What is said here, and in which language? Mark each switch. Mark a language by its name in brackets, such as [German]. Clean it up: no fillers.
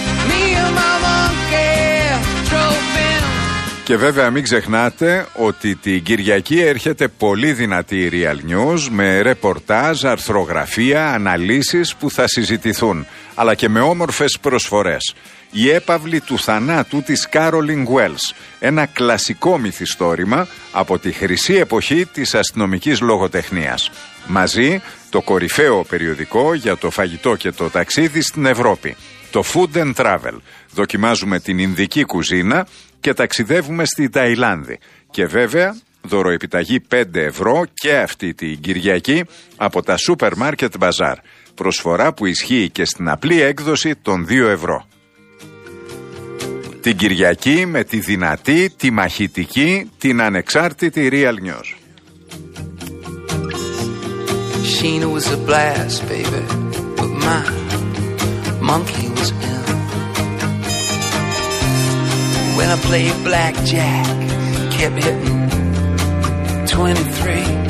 [English] Me and my monkey drove in. [Greek] Και βέβαια μην ξεχνάτε ότι την Κυριακή έρχεται πολύ δυνατή η Real News με ρεπορτάζ, αρθρογραφία, αναλύσεις που θα συζητηθούν, αλλά και με όμορφες προσφορές. Η έπαυλη του θανάτου της Κάρολιν Γουέλς, ένα κλασικό μυθιστόρημα από τη χρυσή εποχή της αστυνομικής λογοτεχνίας. Μαζί το κορυφαίο περιοδικό για το φαγητό και το ταξίδι στην Ευρώπη, το Food and Travel. Δοκιμάζουμε την ινδική κουζίνα και ταξιδεύουμε στη Ταϊλάνδη. Και βέβαια, δωροεπιταγή 5 ευρώ και αυτή την Κυριακή από τα Supermarket Bazaar. Προσφορά που ισχύει και στην απλή έκδοση των 2 ευρώ. Την Κυριακή με τη δυνατή, τη μαχητική, την ανεξάρτητη Real News. [English] Sheena was a blast, baby, but my monkey was ill. When I played blackjack, kept hitting 23.